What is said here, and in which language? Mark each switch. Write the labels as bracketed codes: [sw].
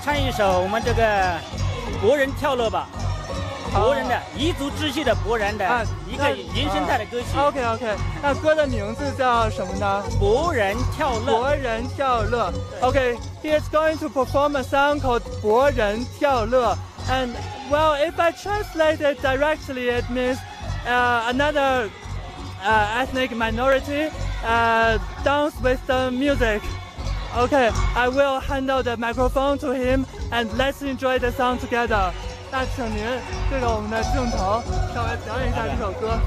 [zh] 那现在请您给我们唱一首歌，可以吗？可以的。您唱的是什么歌呢？我唱一首我们这个国人跳乐吧。国人的彝族支系的国人的一个延伸带的歌曲。OK，那歌的名字叫什么呢？国人跳乐。 [en] OK，he's going to perform a song called 国人跳乐。And well, if I translate it directly, it means another ethnic minority dance with the music. OK, I will handle the microphone to him and let's enjoy the song together. [zh] 那请您对着我们的镜头稍微表演一下这首歌。